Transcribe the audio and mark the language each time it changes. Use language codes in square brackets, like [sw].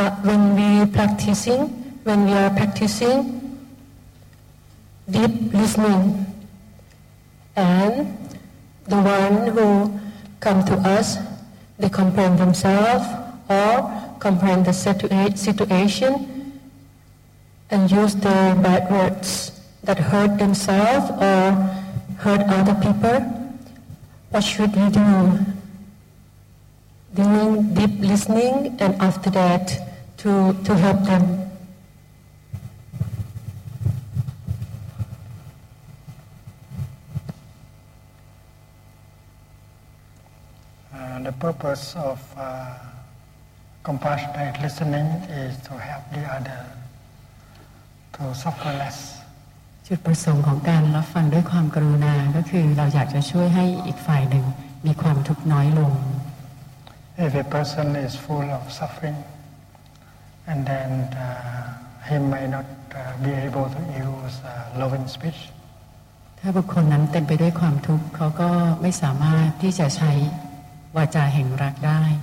[en] when we practicing when we are practicing deep listening and the one who come to us they comprehend themselves orComprehend the situation and use the bad words that hurt themselves or hurt other people. What should we do? Doing deep listening and after that to help them. The purpose of Compassionate listening is to help the other to suffer less. [th] จุดประสงค์ของการรับฟังด้วยความกรุณาก็คือเราอยากจะช่วยให้อีกฝ่ายหนึ่งมีความทุกข์น้อยลง [en] If a person is full of suffering, and then he may not be able to use loving speech. [th] ถ้าบุคคลนั้นเต็มไปด้วยความทุกข์เขาก็ไม่สามารถที่จะใช้วาจาแห่งรักได้